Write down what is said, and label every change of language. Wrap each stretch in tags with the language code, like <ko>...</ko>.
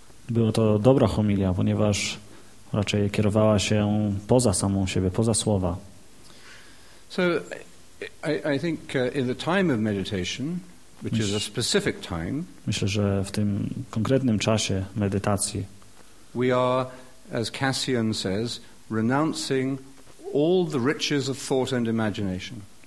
<pl>Była to dobra homilia, ponieważ raczej kierowała się poza samą siebie, poza słowa.</pl> <en>So I think in the time of meditation, which is a specific time,</en> <pl>myślę, że w tym konkretnym czasie medytacji,</pl> <en>we are, as Cassian says, renouncing all the riches of thought and imagination.</en>